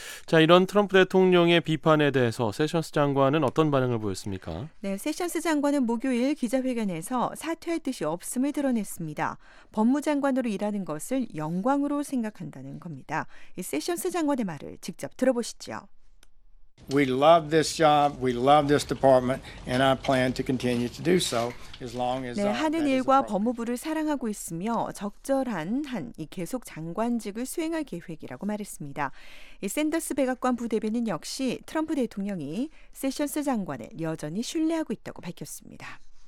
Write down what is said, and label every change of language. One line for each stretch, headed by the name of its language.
Korean: 자, 이런 트럼프 대통령의 비판에 대해서 세션스 장관은 어떤 반응을 보였습니까? 네, 세션스 장관은 목요일 기자회견에서 사퇴할 뜻이 없음을 드러냈습니다. 법무장관으로 일하는 것을 영광으로 생각한다는 겁니다. 이 세션스 장관의 말을 직접 들어보시죠.
English: We love this job. We love this department, and I plan to continue to do so as long as.
Korean: 네, 하는 일과 법무부를 사랑하고 있으며 적절한 한 이 계속 장관직을 수행할 계획이라고 말했습니다. 이 샌더스 백악관 부대변인 역시 트럼프 대통령이 세션스 장관을 여전히 신뢰하고 있다고 밝혔습니다.